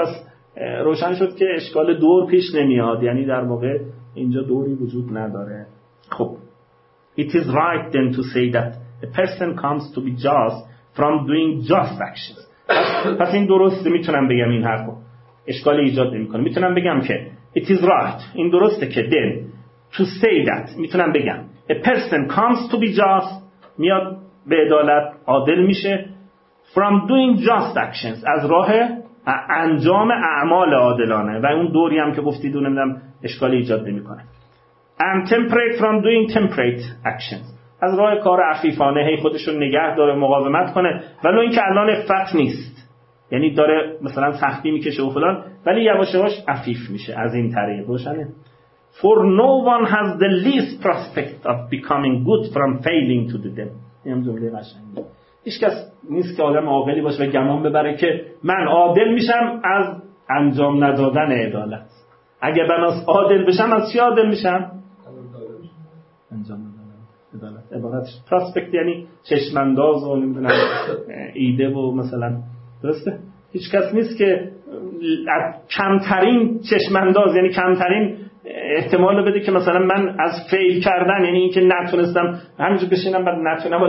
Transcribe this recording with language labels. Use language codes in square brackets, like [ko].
[fa] پس روشن شد که اشکال دور پیش نمیاد، یعنی در واقع اینجا دوری وجود نداره. [en] خب it is right then to say that a person comes to be just from doing just actions. [fa] پس این درسته، میتونم بگم این حرفو اشکال ایجاد نمیکنه، میتونم بگم که [en] it is right، [fa] این درسته که [en] then to say that، [fa] میتونم بگم [en] a person comes to be just، [fa] میاد به عدالت عادل میشه [en] from doing just actions، [fa] از راه انجام اعمال عادلانه، و اون دوری هم که گفتید اون نمیدونم اشکال ایجاد نمیکنه. [en] and temperate from doing temperate actions، [fa] از راه کار عفیفانه هی خودشو نگه داره مقاومت کنه ولو اینکه الان فقط نیست، یعنی داره مثلا سختی میکشه و فلان، ولی یواش یواش عفیف میشه از این طریق. [en] روشنه؟ For no one has the least prospect of becoming good from failing to the dead. [fa] این جمله قشنگه. هیچ کس نیست که آدم عاقلی باشه و گمان ببره که من عادل میشم از انجام ندادن عدالت. اگه من از عادل بشم از چی عادل میشم؟ انجام ندادن عدالت. عبارتش prospect یعنی چشمنداز و نمیدونم ایده و مثلا، درسته؟ هیچ کس نیست که از کمترین چشمنداز یعنی کمترین احتمال رو بده که مثلا من از فیل کردن یعنی این که نتونستم همینجور بشینم بعد نتونم.